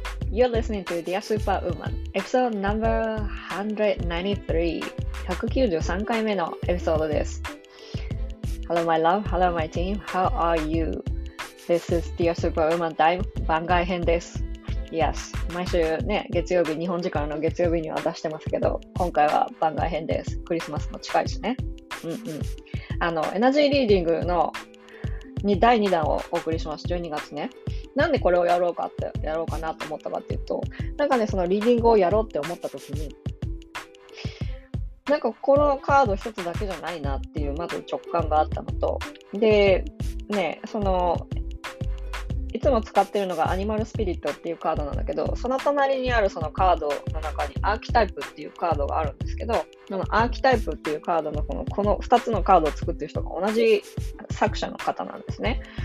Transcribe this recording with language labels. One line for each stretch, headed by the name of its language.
English: You're listening to Dear Superwoman, episode number 193.
Japanese: 193回目のエピソードです。
English: Hello, my love. Hello, my team. How are you? This is Dear Superwoman
Japanese: 大番外編です。
English: Yes.
Japanese: 毎週ね、月曜日、日本時間の月曜日には出してますけど、今回は番外編です。クリスマスも近いしね。エナジーリーディングの第2弾をお送りします。12月ね。なんでこれをやろうかなと思ったかっていうと、なんかね、そのリーディングをやろうって思った時に、なんかこのカード一つだけじゃないなっていう、まず直感があったのと、で、ね、その、いつも使ってるのがアニマルスピリットっていうカードなんだけど、その隣にあるそのカードの中にアーキタイプっていうカードがあるんですけど、そのアーキタイプっていうカードのこの2つのカードを作ってる人が同じ作者の方なんですね。